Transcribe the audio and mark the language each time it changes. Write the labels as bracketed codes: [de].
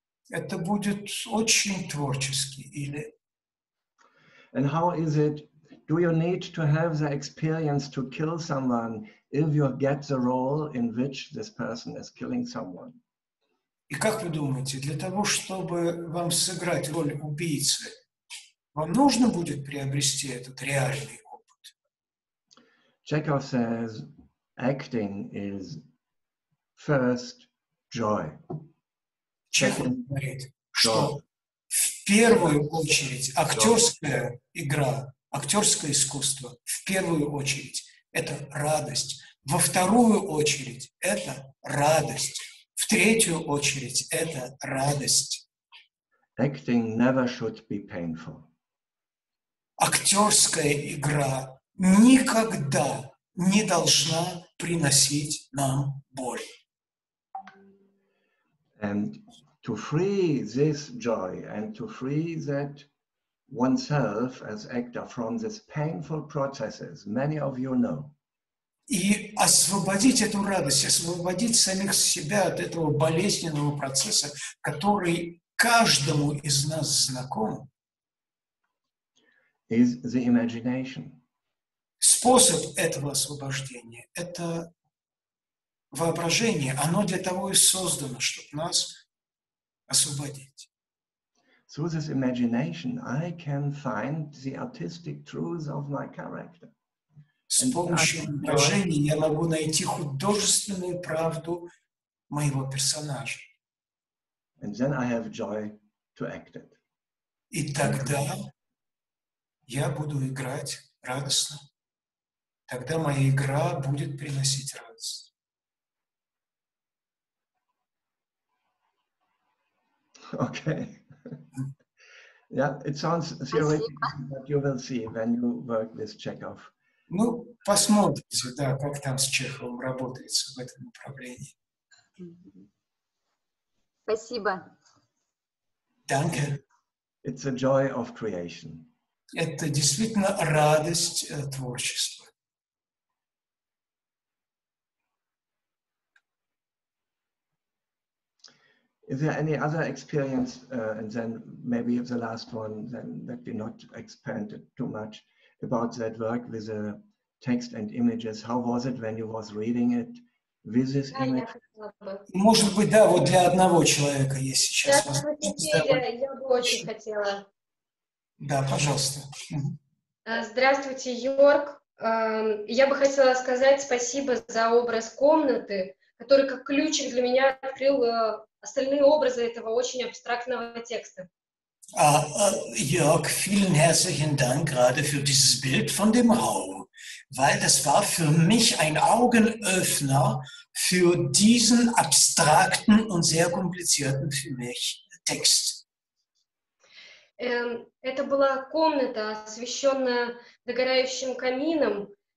[ru] Это будет очень творчески или... [en] And how is it? Do you need to have the experience to kill someone if you get the role in which this person is killing someone? [ru] И как вы думаете, для того, чтобы вам сыграть роль убийцы, вам нужно будет приобрести этот реальный опыт? [en] Chekhov says, acting is first joy. [ru] Chekhov говорит, что в первую очередь актерская игра, актерское искусство, в первую очередь это радость, во вторую очередь это радость, в третью очередь это радость. [en] Acting never should be painful. [ru] Актерская игра никогда не должна приносить нам боль. [en] And to free this joy and to free that oneself as actor from these painful processes, many of you know. [ru] И освободить эту радость, освободить самих себя от этого болезненного процесса, который каждому из нас знаком. [en] Is the imagination. [ru] Способ этого освобождения – это воображение. Оно для того и создано, чтобы нас освободить. [en] through this imagination, I can find the artistic truths of my character. [ru] С помощью воображения я могу найти художественную правду моего персонажа. [en] And then I have joy to act it. [ru] И тогда я буду играть радостно. Тогда моя игра будет приносить радость. [en] Okay. Yeah, it sounds theoretical, but you will see when you work with Chekhov. [ru] Ну, посмотрите, да, как там с Чеховым работается в этом направлении. Спасибо. [de] Danke. [en] It's a joy of creation. [ru] Это действительно радость творчества. [en] Is there any other experience, and then maybe the last one, then that we not expand it too much, about that work with the text and images? How was it when you was reading it with this image? [ru] Может быть, да, вот для одного человека есть сейчас. Я бы очень хотела. Да, пожалуйста. Здравствуйте, Йорк. Я бы хотела сказать спасибо за образ комнаты, который как ключик для меня открыл остальные образы этого очень абстрактного текста. [de] Йорк, vielen herzlichen Dank gerade für dieses Bild von dem Raum, weil das war für mich ein Augenöffner für diesen abstrakten und sehr komplizierten für mich Text. [ru] Это была комната, освещенная догорающим камином.